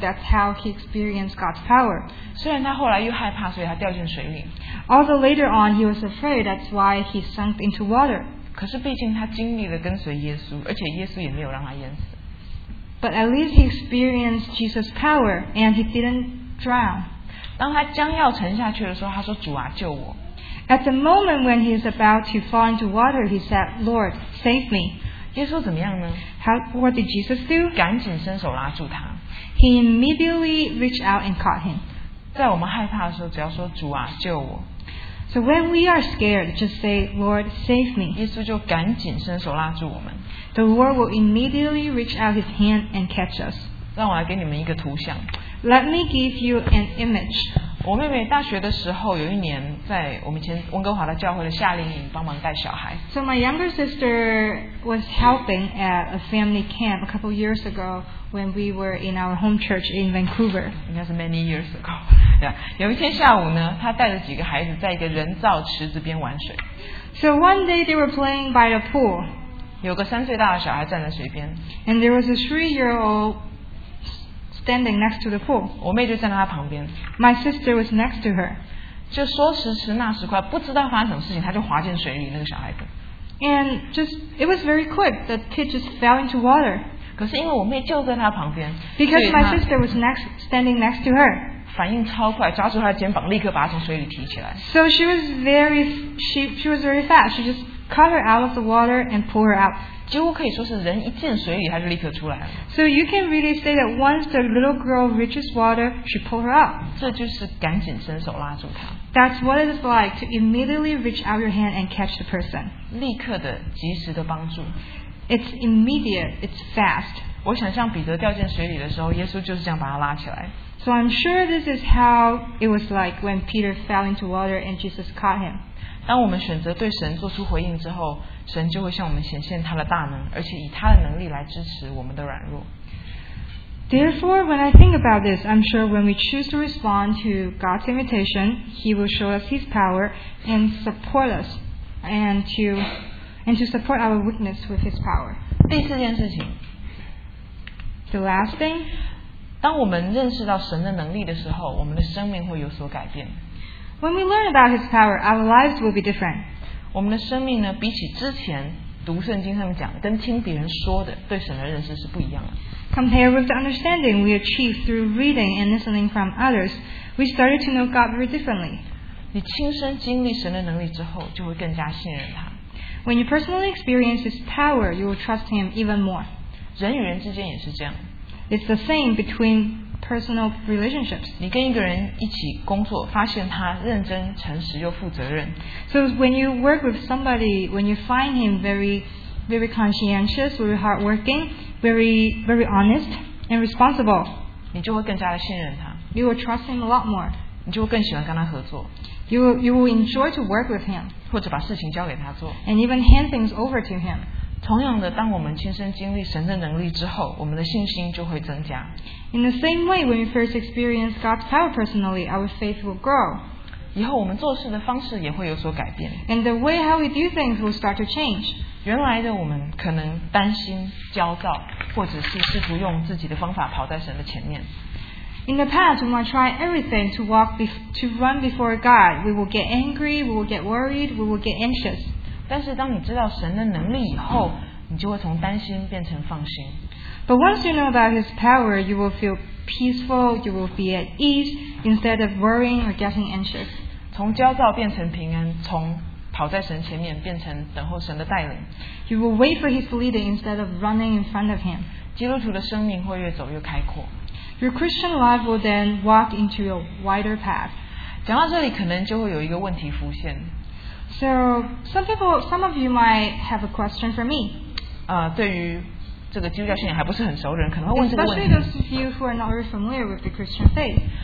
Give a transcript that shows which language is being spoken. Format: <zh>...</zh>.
<en>That's how he experienced God's power.</en> <zh>虽然他后来又害怕，所以他掉进水里。</zh> <en>Although later on he was afraid, that's why he sunk into water.</en> <zh>可是毕竟他经历了跟随耶稣，而且耶稣也没有让他淹死。</zh> <en>But at least he experienced Jesus' power, and he didn't drown.</en> <zh>当他将要沉下去的时候，他说：“主啊，救我。”</zh> <en>At the moment when he is about to fall into water, he said, "Lord, save me."</en> <zh>耶稣怎么样呢？</zh> <en>What did Jesus do?</en> <zh>赶紧伸手拉住他。</zh> <en>He immediately reached out and caught him.</en> <zh>在我们害怕的时候，只要说：“主啊，救我。”</zh> <en>So when we are scared, just say, "Lord, save me."</en> <zh>耶稣就赶紧伸手拉住我们。</zh> <en>The Lord will immediately reach out His hand and catch us.</en> <zh>让我来给你们一个图像。</zh> <en>Let me give you an image.</en> <zh>我妹妹大学的时候，有一年在我们以前温哥华的教会的夏令营帮忙带小孩。</zh> <en>So my younger sister was helping at a family camp a couple years ago when we were in our home church in Vancouver.</en> <zh>应该是</zh> <en>many years ago.</en> <zh>有一天下午呢，她带着几个孩子在一个人造池子边玩水。</zh> <en>So one day they were playing by the pool.</en> <zh>有个三岁大的小孩站在水边。</zh> <en>And there was a 3-year-old. Standing next to the pool.</en> <zh>我妹就站在她旁边。</zh> <en>My sister was next to her.</en> <zh>就说时迟那时快，不知道发生什么事情，她就滑进水里。那个小孩子。</zh> <en>And just it was very quick. The kid just fell into water.</en> <zh>可是因为我妹就在她旁边。</zh> <en>Because my sister was standing next to her.</en> <zh>反应超快，抓住她的肩膀，立刻把她从水里提起来。</zh> <en>So she was very fast. She just cut her out of the water and pulled her out.</en> <zh>几乎可以说是人一进水里，她就立刻出来了。</zh> <en>So you can really say that once the little girl reaches water, she pulls her up.</en> <zh>这就是赶紧伸手拉住她。</zh> <en>That's what it is like to immediately reach out your hand and catch the person.</en> <zh>立刻的、及时的帮助。</zh> <en>It's immediate. It's fast.</en> <zh>我想像彼得掉进水里的时候，耶稣就是这样把他拉起来。</zh> <en>So I'm sure this is how it was like when Peter fell into water and Jesus caught him.</en> <zh>当我们选择对神做出回应之后，神就会向我们显现他的大能，而且以他的能力来支持我们的软弱。</zh> <en>Therefore, when I think about this, I'm sure when we choose to respond to God's invitation, He will show us His power and support us, and to support our weakness with His power.</en> <zh>第四件事情。</zh> <en>The last thing.</en> <zh>当我们认识到神的能力的时候，我们的生命会有所改变。</zh> <en>When we learn about His power, our lives will be different.</en> <zh>我们的生命呢，比起之前读圣经上面讲的，跟听别人说的，对神的认识是不一样的。</zh> <en>Compared with the understanding we achieve through reading and listening from others, we started to know God very differently.</en> <zh>你亲身经历神的能力之后，就会更加信任他。</zh> <en>When you personally experience His power, you will trust Him even more.</en> <zh>人与人之间也是这样。</zh> <en>It's the same between personal relationships.</en> <zh>你跟一个人一起工作，发现他认真、诚实又负责任。</zh> <en>So when you work with somebody, when you find him very, very conscientious, very hardworking, very, very honest and responsible,</en> <zh>你就会更加的信任他。</zh> <en>You will trust him a lot more.</en> <zh>你就会更喜欢跟他合作。</zh> <en>You will enjoy to work with him.</en> <zh>或者把事情交给他做。</zh> <en>And even hand things over to him.</en> <zh>同样的，当我们亲身经历神的能力之后，我们的信心就会增加。</zh> <en>In the same way, when we first experience God's power personally, our faith will grow.</en> <zh>以后我们做事的方式也会有所改变。</zh> <en>And the way how we do things will start to change.</en> <zh>原来的我们可能担心、焦躁，或者是试图用自己的方法跑在神的前面。</zh> <en>In the past, we might try everything to walk, to run before God. We will get angry, we will get worried, we will get anxious.</en> <zh>但是当你知道神的能力以后，你就会从担心变成放心。</zh> <en>But once you know about His power, you will feel peaceful, you will be at ease instead of worrying or getting anxious.</en> <zh>从焦躁变成平安，从跑在神前面变成等候神的带领。</zh> <en>You will wait for His leading instead of running in front of Him.</en> <zh>基督徒的生命会越走越开阔。</zh> <en>Your Christian life will then walk into a wider path.</en> <zh>讲到这里，可能就会有一个问题浮现。</zh> <en>So some of you might have a question for me.</en> <zh>对于这个基督教信仰还不是很熟的人，可能会问这个问题。</zh> <en>Especially those of you who are not very familiar with the Christian faith.</en>